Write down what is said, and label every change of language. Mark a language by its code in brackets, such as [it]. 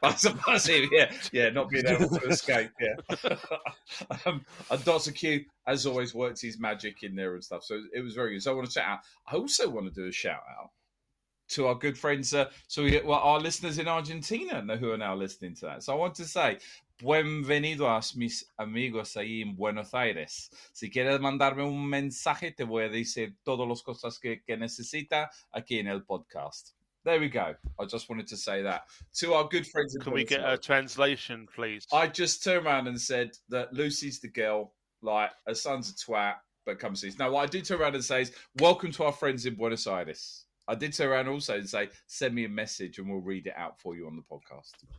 [en] it. Yeah, not being able to escape, yeah. And Dr. Q, as always, worked his magic in there and stuff, so it was very good. So I want to shout out. I also want to do a shout out to our good friends, our listeners in Argentina who are now listening to that. So I want to say, [es] buenvenidos, mis amigos ahí en Buenos Aires. Si quieres mandarme un mensaje, te voy a decir todas las cosas que necesita aquí en el podcast. [en] There we go. I just wanted to say that to our good friends. Can we get a translation, please? I just turned around and said that Lucy's the girl, like her son's a twat, but come see. Now, what I did turn around and say is, welcome to our friends in Buenos Aires. I did turn around also and say, send me a message and we'll read it out for you on the podcast.